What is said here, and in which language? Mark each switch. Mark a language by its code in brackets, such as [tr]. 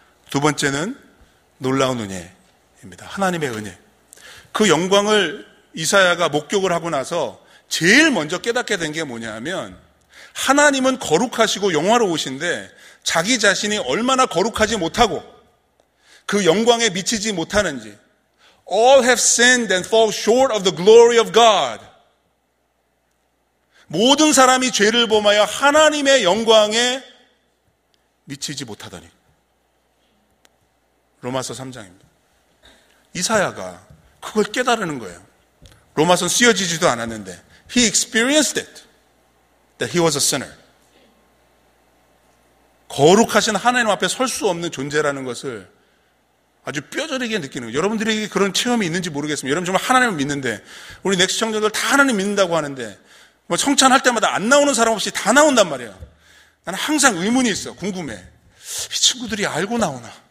[ko] 두 번째는 놀라운 은혜입니다. 하나님의 은혜. 그 영광을 이사야가 목격을 하고 나서 제일 먼저 깨닫게 된 게 뭐냐 하면 하나님은 거룩하시고 영화로우신데 자기 자신이 얼마나 거룩하지 못하고 그 영광에 미치지 못하는지. [en] All have sinned and fall short of the glory of God. [ko] 모든 사람이 죄를 범하여 하나님의 영광에 미치지 못하다니. 로마서 3장입니다. 이사야가 그걸 깨달은 거예요. 로마서는 쓰여지지도 않았는데 [en] He experienced it that he was a sinner. [ko] 거룩하신 하나님 앞에 설 수 없는 존재라는 것을 아주 뼈저리게 느끼는 거예요. 여러분들에게 그런 체험이 있는지 모르겠습니다. 여러분 정말 하나님을 믿는데 우리 넥스 청년들 다 하나님 믿는다고 하는데 뭐 성찬할 때마다 안 나오는 사람 없이 다 나온단 말이에요. 나는 항상 의문이 있어. 궁금해. 이 친구들이 알고 나오나?